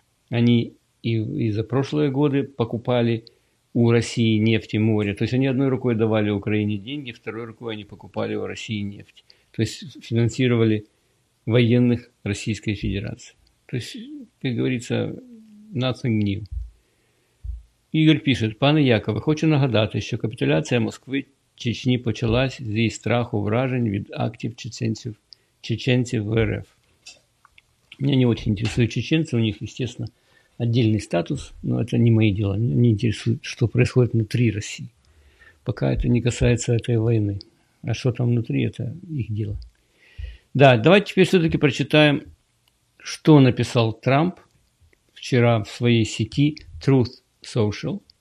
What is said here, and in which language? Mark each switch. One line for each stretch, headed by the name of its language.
Russian: Они и за прошлые годы покупали у России нефть и море. То есть они одной рукой давали Украине деньги, второй рукой они покупали у России нефть. То есть финансировали военных Российской Федерации. То есть, как говорится,
English: nothing new.
Ukrainian: Игорь пишет: «Пане Якове, хочу нагадати, що капітуляція Москви Чечні почалась зі страху вражень від актів чеченців в РФ». Мене не дуже цікавлять чеченці, у них, звісно, отдельний статус,
Russian: но это не мои дела.
Ukrainian: Мене
Russian: интересует, что происходит внутри России. Пока это не касается этой войны. А что там внутри, это их дело. Да, давайте теперь все-таки прочитаем, что написал Трамп вчера в своей сети Truth Social.